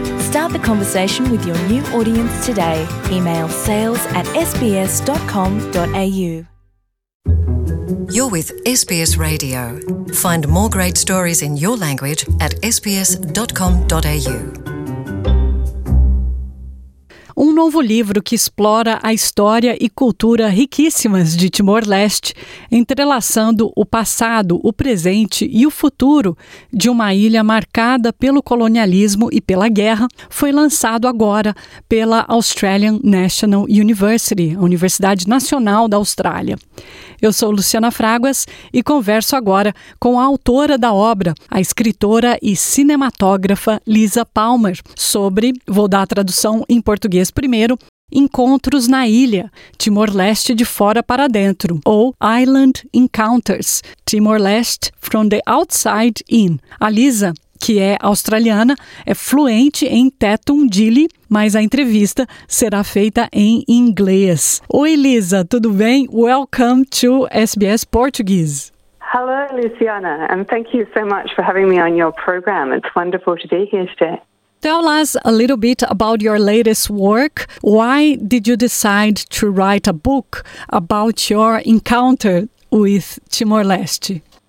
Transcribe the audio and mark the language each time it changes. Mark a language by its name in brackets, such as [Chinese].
[English] Start the conversation with your new audience today. Email sales@sbs.com.au. You're with SBS Radio. Find more great stories in your language at sbs.com.au. [Portuguese] Novo livro que explora a história e cultura riquíssimas de Timor-Leste, entrelaçando o passado, o presente e o futuro de uma ilha marcada pelo colonialismo e pela guerra, foi lançado agora pela Australian National University, a Universidade Nacional da Austrália. Eu sou Luciana Fraguas e converso agora com a autora da obra, a escritora e cinematógrafa Lisa Palmer, sobre, vou dar a tradução em português primeiro, Encontros na Ilha, Timor-Leste de Fora para Dentro, ou [English] Island Encounters, Timor-Leste from the Outside In. [Portuguese] A Lisa, que é australiana, é fluente em Tetundili, mas a entrevista será feita em inglês. Oi, Lisa, tudo bem? [English] Welcome to SBS Portuguese. Hello, Luciana, and thank you so much for having me on your program. It's wonderful to be here today. Tell us a little bit about your latest work. Why did you decide to write a book about your encounter with Timor-Leste?